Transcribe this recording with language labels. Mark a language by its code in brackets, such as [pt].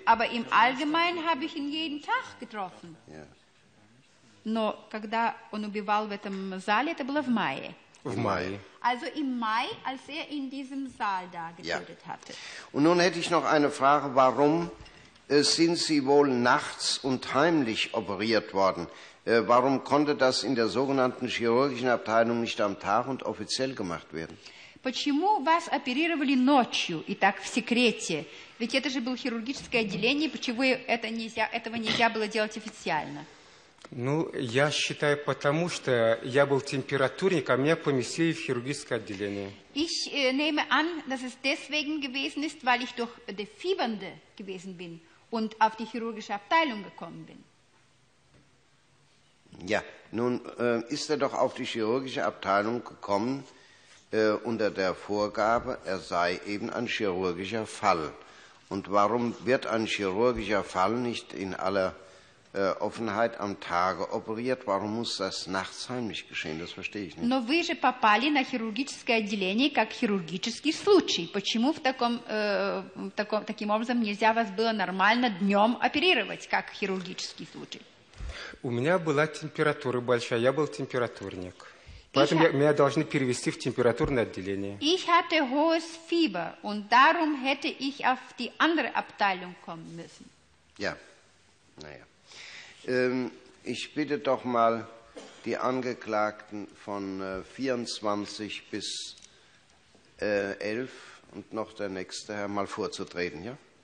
[de] Aber im Allgemeinen habe ich ihn jeden Tag getroffen. [ru] Но когда он убивал в этом зале, это было в мае. В мае. [de] Also im Mai, als in diesem Saal da getötet hatte. Und nun hätte ich noch eine Frage, warum sind Sie wohl nachts und heimlich operiert worden? Warum konnte das in der sogenannten chirurgischen Abteilung nicht am Tag und offiziell gemacht werden? [ru] Почему вас оперировали ночью и так в секрете? Ведь это же было хирургическое отделение, почему этого нельзя было делать официально? Ну, я считаю, потому что я был температурник, а меня поместили в хирургическое отделение. [de] Ich nehme an, dass es deswegen gewesen ist, weil ich durch die Fiebernde gewesen bin und auf die chirurgische Abteilung gekommen bin. Ja, nun ist doch auf die chirurgische Abteilung gekommen unter der Vorgabe, sei eben ein chirurgischer Fall. Und warum wird ein chirurgischer Fall nicht in aller Offenheit am Tage operiert? Warum muss das nachts heimlich geschehen? Das verstehe ich nicht. [ru] Но вы же попали на хирургическое отделение как хирургический случай. Почему таким образом нельзя вас было нормально днем оперировать как хирургический случай? У меня была температура большая, я был температурник. Поэтому меня должны перевести в температурное отделение. [de] Ich hatte hohes Fieber und darum hätte ich auf die andere Abteilung kommen müssen. Ja, naja. Ich bitte doch mal die Angeklagten von 24 bis 11 und noch der nächste Herr mal vorzutreten, ja?